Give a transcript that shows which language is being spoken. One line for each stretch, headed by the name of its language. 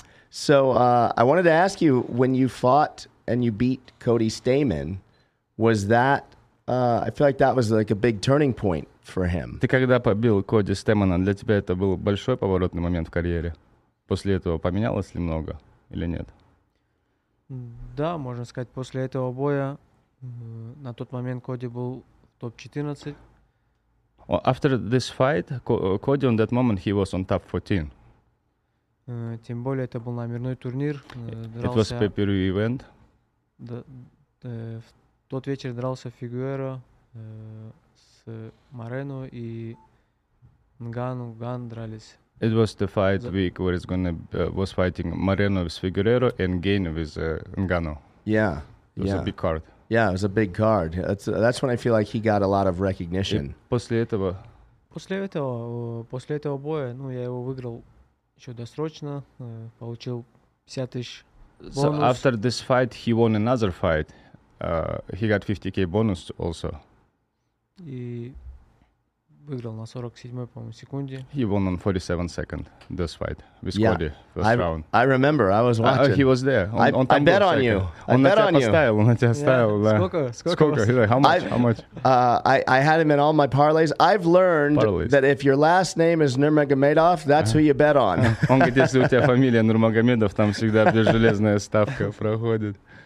English: So I wanted to ask you, when you fought and you beat Cody Stamann, was that... I feel like that was like a big turning point for him.
Russian: Ты когда побил Коди Стэмана, для тебя это был большой поворотный момент в карьере? После этого поменялось ли много или нет? Да, можно сказать, после этого боя на тот момент Коди был в топ-14.
English: After this fight, Cody on that moment, he was on top 14.
Russian: Тем более это был номерной турнир.
English: It was a pay-per-view event.
Russian: Тот вечер дрался Фигуэро с Морено и Нгану. Ган дрались.
English: It was the fight week where it's gonna was fighting Морено with Фигуэро and Ган with Нгану. Yeah, it was a big card. Yeah, it was a big card. That's when I feel like he got a lot of recognition.
Russian: После этого боя, я его выиграл еще досрочно, получил 50 тысяч бонус.
English: So after this fight, he won another fight. He got 50k bonus also.
Russian: И выиграл на 47-й, по-моему, секунде.
English: He won on 47 second this fight with Cody first round. I remember, I was watching. He was there. I bet on you.
Russian: On на тебя ставил. Сколько?
English: He's like, how much? I had him in all my parlays. I've learned that if your last name is Nurmagomedov, that's who you bet on.
Russian: Он говорит, если у тебя фамилия Нурмагомедов, там всегда железная ставка проходит.